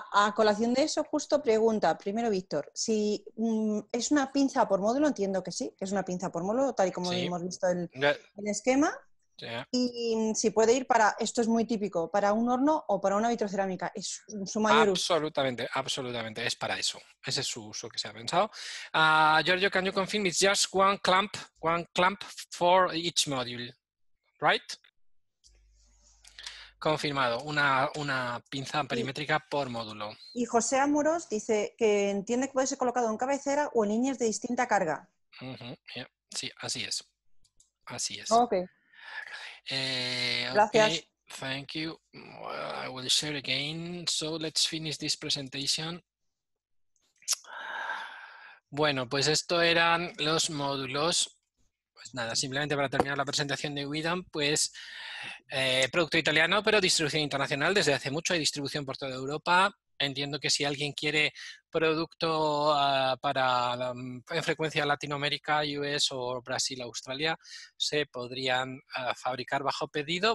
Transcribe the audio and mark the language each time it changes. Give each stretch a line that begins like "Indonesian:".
Spanish: A colación de eso, justo pregunta, primero Víctor, si es una pinza por módulo, entiendo que sí, es una pinza por módulo, tal y como sí. Hemos visto el esquema, yeah. Y si puede ir para, esto es muy típico, para un horno o para una vitrocerámica, es su mayor absolutamente, uso. Absolutamente, es para eso, ese es su uso que se ha pensado.
English: Giorgio, can you confirm it's just one clamp for each module, right?
Spanish: Confirmado, una pinza amperimétrica por módulo. Y José Amorós dice que entiende que puede ser colocado en cabecera o en líneas de distinta carga. Uh-huh, yeah. Sí, así es. Así es. Ok. Gracias.
English: Thank you. Well, I will share again. So let's finish this presentation.
Spanish: Bueno, pues esto eran los módulos. Nada, simplemente para terminar la presentación de Widom, pues producto italiano, pero distribución internacional desde hace mucho, hay distribución por toda Europa. Entiendo que si alguien quiere producto en frecuencia Latinoamérica, US o Brasil, Australia, se podrían fabricar bajo pedido.